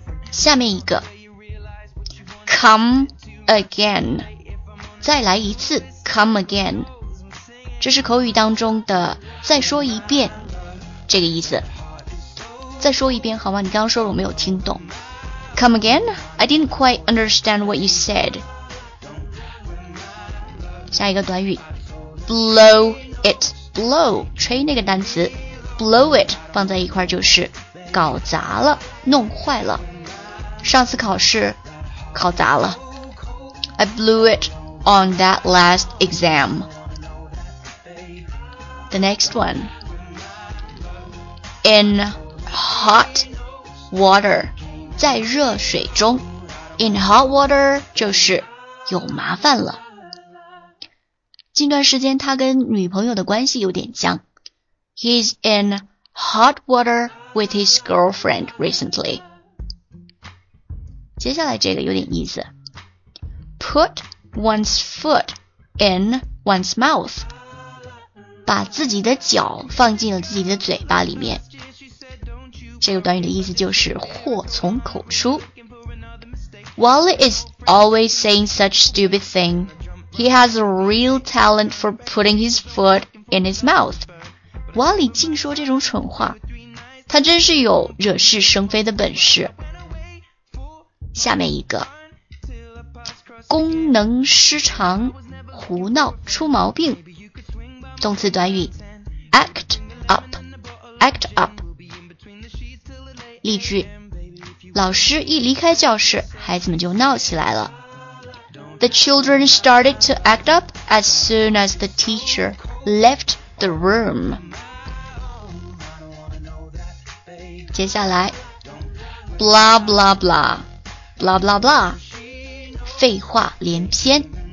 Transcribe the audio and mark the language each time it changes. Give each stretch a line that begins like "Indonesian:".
Chinese: 下面一个 Come again 再来一次 Come again 这是口语当中的再说一遍这个意思再说一遍好吗？你刚刚说了我没有听懂。
English: Come again? I didn't quite understand what you said.
Chinese: 下一个短语 ，blow it, blow, 吹那个单词 ，blow it 放在一块就是搞砸了，弄坏了。上次考试考砸了。
English: I blew it on that last exam. The next one. In. Hot water,
Chinese: 在热水中
English: In hot water,
Chinese: 就是有麻烦了。近段时间他跟女朋友的关系有点僵。
English: He's in hot water with his girlfriend recently.
Chinese: 接下来这个有点意思。
English: Put one's foot in one's mouth.
Chinese: 把自己的脚放进了自己的嘴巴里面。这个短语的意思就是祸从口出。
English: Wally is always saying such stupid thing. He has a real talent for putting his foot in his mouth.
Chinese: Wally 竟说这种蠢话，他真是有惹是生非的本事。下面一个，功能失常，胡闹，出毛病。动词短语 act up, act up. 例句，老师一离开教室，孩子们就闹起来了。
English: The children started to act up as soon as the teacher left the room.
Chinese: 接下来 blah blah blah, blah blah blah, 废话连篇。